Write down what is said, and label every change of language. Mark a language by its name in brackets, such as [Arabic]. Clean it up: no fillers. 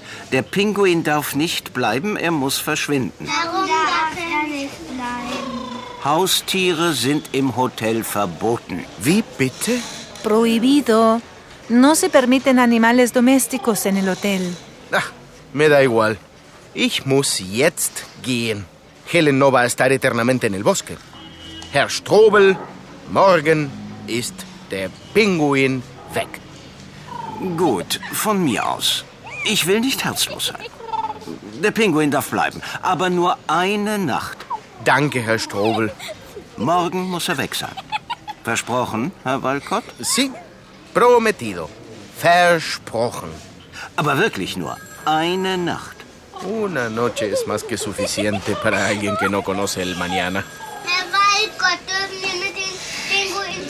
[German] Der Pinguin darf nicht bleiben, er muss verschwinden. Warum darf er nicht bleiben? Haustiere sind im Hotel verboten. Wie bitte? [Spanish] Prohibido. No se permiten animales domésticos en el hotel. [German] Ach, [Spanish] me da igual. [German] Ich muss jetzt gehen. [Spanish] Helen no va a estar eternamente en el bosque. [German] Herr Strobel, morgen ist der Pinguin weg. Gut, von mir aus. Ich will nicht herzlos sein. Der Pinguin darf bleiben, aber nur eine Nacht. Danke, Herr Strobel. Morgen muss er weg sein. Versprochen, Herr Walcott? [Spanish] Sí, prometido. [German] Versprochen. Aber wirklich nur eine Nacht. [Spanish] Una noche es más que suficiente para alguien que no conoce el mañana. [German] Herr Walcott, dürfen wir mit dem Pinguin